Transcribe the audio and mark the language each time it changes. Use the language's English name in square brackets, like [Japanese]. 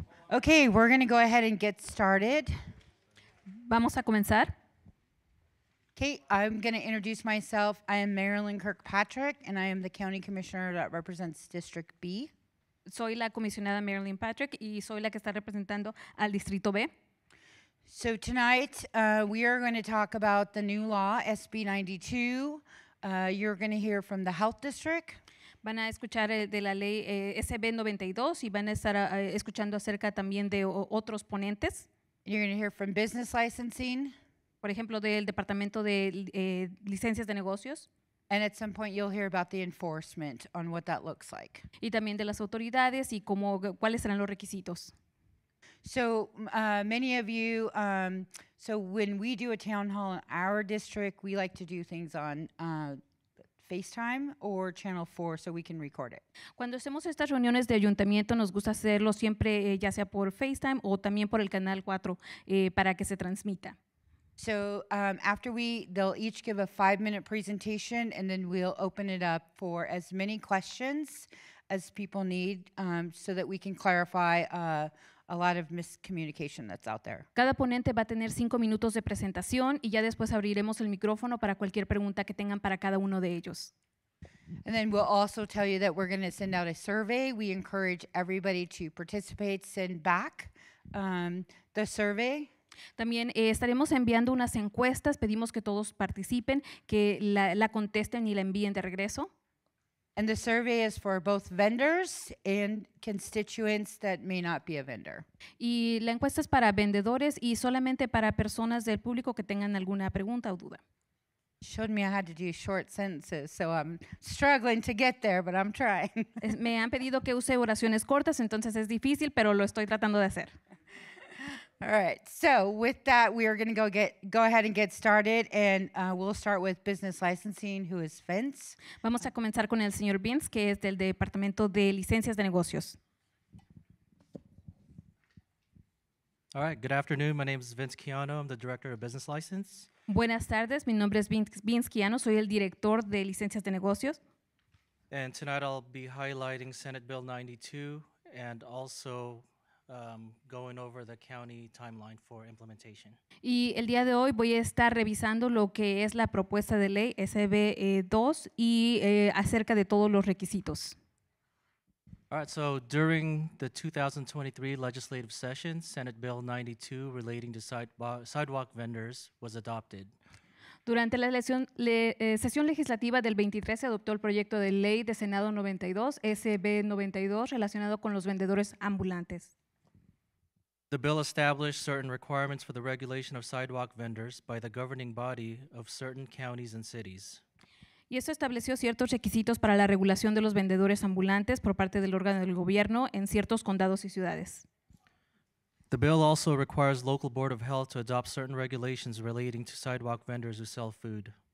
[English] Okay, we're going to go ahead and get started. [Spanish] Vamos a comenzar. [English] Okay, I'm going to introduce myself. I am Marilyn Kirkpatrick, and I am the county commissioner that represents District B. [Spanish] Soy la comisionada Marilyn Patrick, y soy la que está representando al Distrito B. [English] So tonight, we are going to talk about the new law, SB 92. You're going to hear from the Health District. [Spanish] Van a escuchar de la ley SB 92 y van a estar escuchando acerca también de otros ponentes. [English] You're going to hear from business licensing. [Spanish] Por ejemplo, del Departamento de Licencias de Negocios. [English] And at some point you'll hear about the enforcement on what that looks like. [Spanish] Y también de las autoridades y cómo, cuáles serán los requisitos. [English] So many of you, so when we do a town hall in our district, we like to do things on FaceTime or Channel 4 so we can record it. [Spanish] Cuando hacemos estas reuniones de ayuntamiento, nos gusta hacerlo siempre ya sea por FaceTime o también por el canal 4 para que se transmita. [English] So after they'll each give a 5-minute presentation and then we'll open it up for as many questions as people need so that we can clarify a lot of miscommunication that's out there. [Spanish] Cada ponente va a tener 5 minutos de presentación y ya después abriremos el micrófono para cualquier pregunta que tengan para cada uno de ellos. [English] And then we'll also tell you that we're going to send out a survey. We encourage everybody to participate, send back the survey. [Spanish] También estaremos enviando unas encuestas, pedimos que todos participen, que la contesten y la envíen de regreso. [English] And the survey is for both vendors and constituents that may not be a vendor. [Spanish] Y la encuesta es para vendedores y solamente para personas del público que tengan alguna pregunta o duda. [English] Showed me I had to do short sentences, so I'm struggling to get there, but I'm trying. [Spanish] Me han pedido que use oraciones cortas, entonces es difícil, pero lo estoy tratando de hacer. [English] All right, so with that, we are going to go ahead and get started, and we'll start with business licensing, who is Vince. [Spanish] Vamos a comenzar con el señor Vince, que es del Departamento de Licencias de Negocios. [English] All right, good afternoon. My name is Vince Chiano. I'm the Director of Business License. [Spanish] Buenas tardes. Mi nombre es Vince Chiano. Soy el Director de Licencias de Negocios. [English] And tonight I'll be highlighting Senate Bill 92 and also going over the county timeline for implementation. [Spanish] Y el día de hoy voy a estar revisando lo que es la propuesta de ley SB 2 y acerca de todos los requisitos. [English] All right, so during the 2023 legislative session, Senate Bill 92 relating to sidewalk vendors was adopted. [Spanish] Durante la sesión legislativa del 23 se adoptó el proyecto de ley de Senado 92, SB 92, relacionado con los vendedores ambulantes. [English] The bill established certain requirements for the regulation of sidewalk vendors by the governing body of certain counties and cities. [Spanish] Y eso estableció ciertos requisitos para la regulación de los vendedores ambulantes por parte del órgano del gobierno en ciertos condados y ciudades. [English] The bill also requires local board of health to adopt certain regulations relating to sidewalk vendors who sell food.